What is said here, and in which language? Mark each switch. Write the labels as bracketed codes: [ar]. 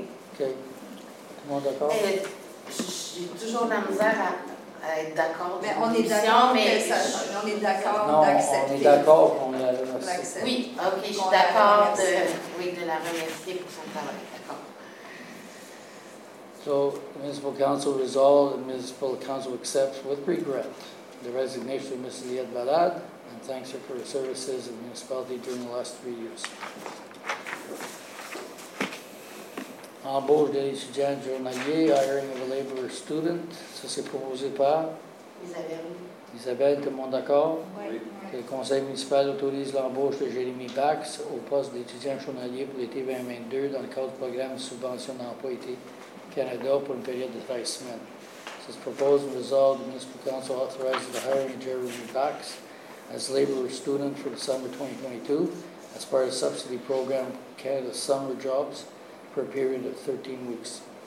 [fr] OK. Tout le monde est d'accord? J'ai toujours la misère à être d'accord. Mais on est d'accord, mais on est d'accord non, d'accepter. On est d'accord qu'on la remercie. Oui, OK, je suis d'accord de la remercier pour son travail. D'accord. [en] So, the Municipal Council resolved, the Municipal Council accepts with regret the resignation of Mrs. Liette Valade and thanks her for her services in the municipality during the last 3 years. [fr] Embauche des étudiants journaliers, [en] hiring of a labor student. [fr] Ça, c'est proposé par Isabelle. Isabelle, tout le monde d'accord? Oui. Que le conseil municipal autorise l'embauche de Jérémy Bax au poste d'étudiant journalier pour l'été 2022 dans le cadre du programme de subvention d'emploi-été. Canada pour une période de 13 semaines. [en] So it's proposed and resolved the Municipal Council authorizes the hiring of Jeremy Cox as laborer student for the summer 2022 as part of the subsidy program Canada Summer Jobs for a period of 13 weeks.